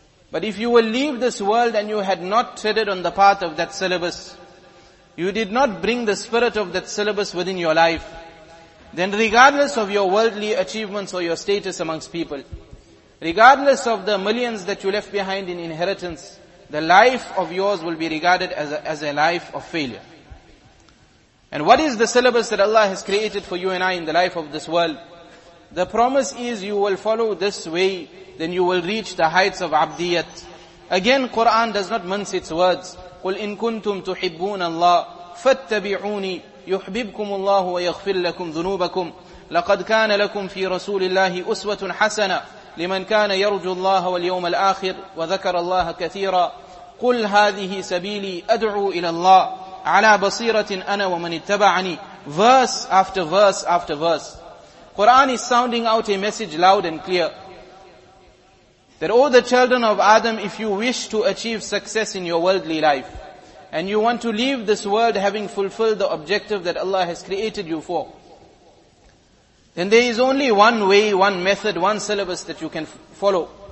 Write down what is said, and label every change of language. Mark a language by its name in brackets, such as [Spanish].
[English] But if you will leave this world and you had not treaded on the path of that syllabus, you did not bring the spirit of that syllabus within your life, then regardless of your worldly achievements or your status amongst people, regardless of the millions that you left behind in inheritance, the life of yours will be regarded as a life of failure. And what is the syllabus that Allah has created for you and I in the life of this world? The promise is you will follow this way, then you will reach the heights of abdiyat. Again, Quran does not mince its words. [Arabic] قُلْ إِن كُنْتُمْ تُحِبُّونَ اللَّهِ فَاتَّبِعُونِي يُحْبِبْكُمُ اللَّهُ وَيَغْفِرْ لَكُمْ ذُنُوبَكُمْ لَقَدْ كَانَ لَكُمْ فِي رَسُولِ اللَّهِ أُسْوَةٌ حَسَنَةٌ لمن كان يرجو الله واليوم الآخر وذكر الله كثيرا قل هذه سبيلي أدعو إلى الله على بصيرة أنا ومن اتبعني. [English] Verse after verse after verse, Quran is sounding out a message loud and clear that all the children of Adam, if you wish to achieve success in your worldly life and you want to leave this world having fulfilled the objective that Allah has created you for, then there is only one way, one method, one syllabus that you can follow.